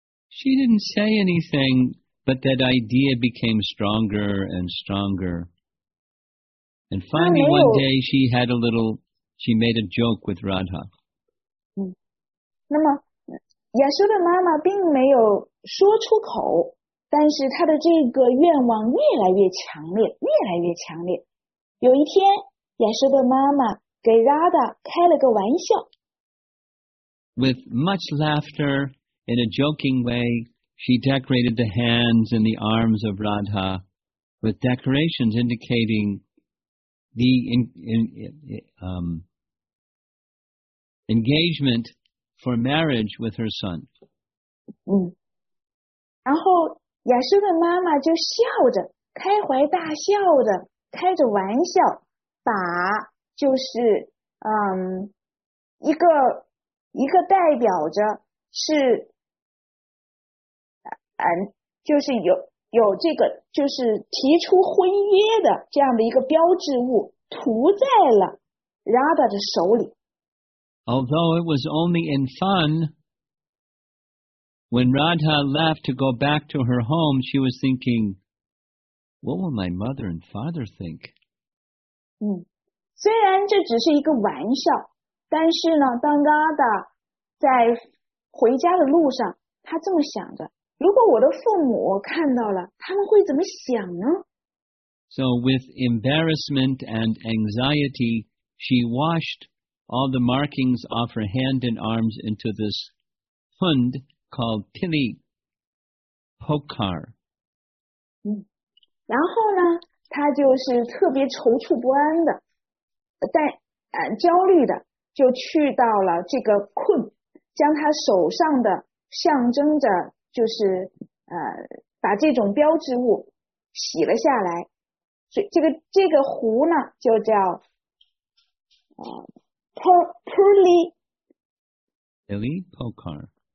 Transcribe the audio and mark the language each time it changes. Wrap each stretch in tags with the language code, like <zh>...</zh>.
<en>She didn't say anything, but that idea became stronger and stronger. And finally one day she made a joke with Radha.</en> <zh>那么雅修的妈妈并没有说出口，但是他的这个愿望越来越强烈。有一天，雅修达妈妈给 Radha 开了个玩笑。</zh> <en>With much laughter, in a joking way, she decorated the hands and the arms of Radha with decorations indicating the engagement for marriage with her son.</en> <zh>然后雅修的妈妈就笑着，开怀大笑的，开着玩笑，把就是一个代表着是，就是有有这个就是提出婚约的这样的一个标志物涂在了 Radha 的手里。</zh> <en>Although it was only in fun, when Radha left to go back to her home, she was thinking, what will my mother and father think?</en> <zh>虽然这只是一个玩笑，但是呢，当 Radha 在回家的路上，她这么想着，如果我的父母看到了，他们会怎么想呢？</zh> <en>So with embarrassment and anxiety, she washed all the markings off her hand and arms into this hund called Tili Pokar.</en> <zh>然后呢，她就是特别踌躇不安的。焦虑的就去到了这个困，将他手上的象征着就是把这种标志物洗了下来，所以这个壶呢就叫Pili Pokar</zh>